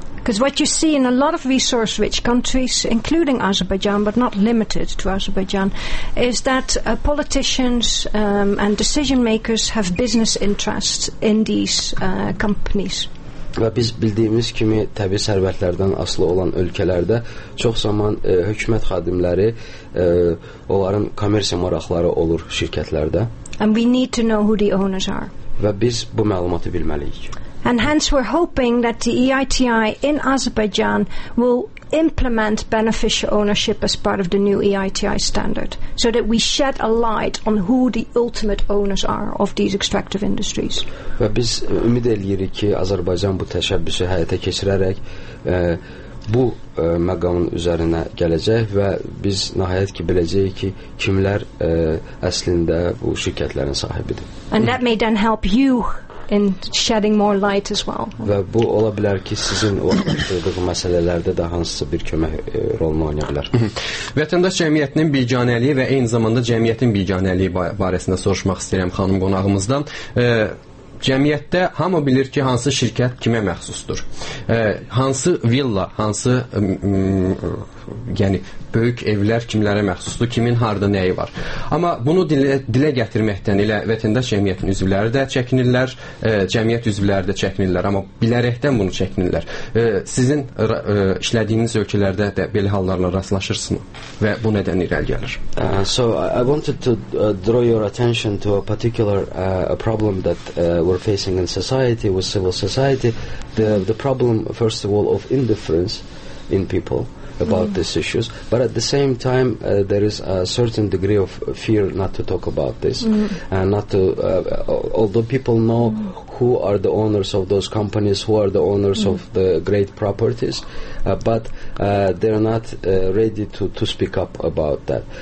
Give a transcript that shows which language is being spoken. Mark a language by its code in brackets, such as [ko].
[en] Because what you see in a lot of resource-rich countries, including Azerbaijan, but not limited to Azerbaijan, is that politicians and decision-makers have business interests in these companies. [az] Və biz bildiyimiz kimi təbii sərvətlərdən asılı olan ölkələrdə çox zaman hökumət xadimləri onların kommersiya maraqları olur şirkətlərdə. [en] And we need to know who the owners are. [az] Və biz bu məlumatı bilməliyik. [en] And hence we're hoping that the EITI in Azerbaijan will implement beneficial ownership as part of the new EITI standard so that we shed a light on who the ultimate owners are of these extractive industries. [az] Və biz ümid edirik ki, Azərbaycan bu təşəbbüsü həyata keçirərək bu məqamın üzərinə gələcək və biz nəhayət ki, biləcəyik ki, kimlər əslində bu şirkətlərin sahibidir. [en] And that may then help you in shedding more light as well. [az] Və bu ola bilər ki, sizin ortaqlaşdırdığı məsələlərdə də hansısa bir kömək rolunu oynaya bilər. Vətəndaş cəmiyyətinin biganəliyi və eyni zamanda cəmiyyətin biganəliyi barəsində soruşmaq istəyirəm xanım qonağımızdan. Cəmiyyətdə hamı bilir ki, hansı şirkət kimə məxsusdur. Hansı villa, hansı yəni böyük evlər kimlərə məxsusdur, kimin harda nəyi var. Amma bunu dilə gətirməkdən elə vətəndaş cəmiyyətinin üzvləri də çəkinirlər, cəmiyyət üzvləri də çəkinirlər, amma bilərəkdən bunu çəkinirlər. Sizin işlədiyiniz ölkələrdə də belə hallarla rastlaşırsınız və bu nədən irəli gəlir? [en] So I wanted to draw your attention to a particular problem that we're facing in society, with civil society, the problem first of all of indifference in people about these issues, but at the same time there is a certain degree of fear not to talk about this and not to although people know who are the owners of those companies, who are the owners of the great properties, but they're not ready to speak up about that.